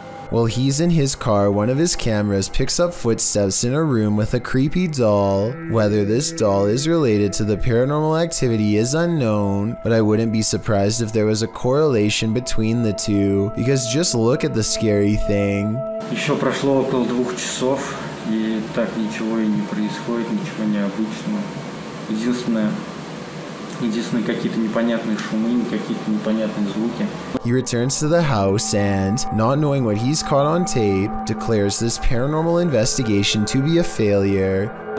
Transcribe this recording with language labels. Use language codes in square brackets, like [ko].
[en] While he's in his car, one of his cameras picks up footsteps in a room with a creepy doll. Whether this doll is related to the paranormal activity is unknown, but I wouldn't be surprised if there was a correlation between the two, because just look at the scary thing. [ru] Еще прошло около двух часов, и так ничего и не происходит, ничего необычного. Единственное, какие-то непонятные шумы, какие-то непонятные звуки. [en] He returns to the house and, not knowing what he's caught on tape, declares this paranormal investigation to be a failure.